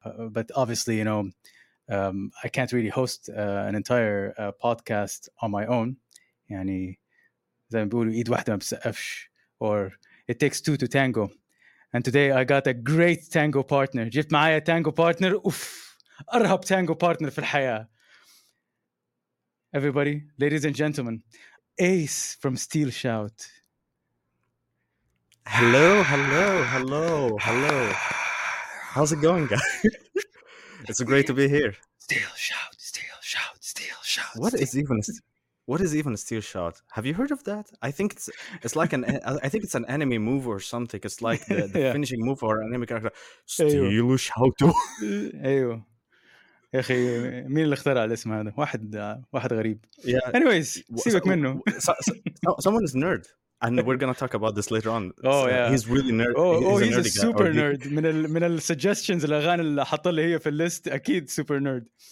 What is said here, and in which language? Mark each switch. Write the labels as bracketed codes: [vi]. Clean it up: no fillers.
[en] But obviously, you know, I can't really host an entire podcast on my own. [ar] يعني زي ما بيقولوا إيد واحدة ما بتسقفش [en] or it takes two to tango. And today I got a great tango partner. [ar] جبت معايا [en] tango partner. [ar] أوف! أرهب [en] tango partner [ar] في الحياة. [en] Everybody, ladies and gentlemen, Ace from Steel Shout. Hello, hello, hello, hello. How's it going, guys? It's great to be here. Steel Shout, Steel Shout, Steel Shout. What is even a... What is even a steel shot? Have you heard of that? I think it's like an I think it's an anime move or something. It's like the yeah. finishing move for an anime character. Steel shot. [ar] أيوه يا أخي مين اللي اخترع الاسم هذا؟ واحد غريب. [en] Yeah. Anyways, [ar] سيبك منه. [en] Someone is nerd, and we're gonna talk about this later on. Oh so yeah. He's really nerd. He's a super nerd. [ar] من ال suggestions الأغاني اللي حط لي هي في الليست أكيد [en] super nerd.